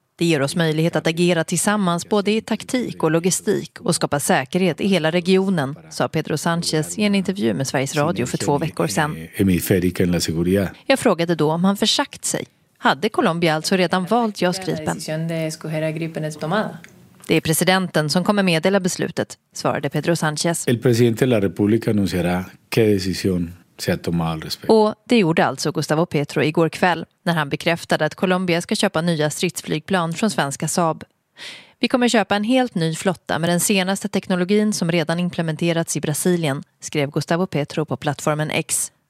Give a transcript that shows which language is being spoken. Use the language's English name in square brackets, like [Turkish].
[Swedish] Det ger oss möjlighet att agera tillsammans både i taktik och logistik och skapa säkerhet i hela regionen, sa Pedro Sanchez i en intervju med Sveriges Radio för 2 veckor sedan. Jag frågade då om han försagt sig. Hade Colombia alltså redan valt JAS Gripen? Det är presidenten som kommer meddela beslutet, svarade Pedro Sanchez. [Spanish] El presidente de la República anunciará qué decisión. [Swedish] Och det gjorde alltså Gustavo Petro igår kväll när han bekräftade att Colombia ska köpa nya stridsflygplan från svenska Saab. Vi kommer köpa en helt ny flotta med den senaste teknologin som redan implementerats i Brasilien, skrev Gustavo Petro på plattformen X.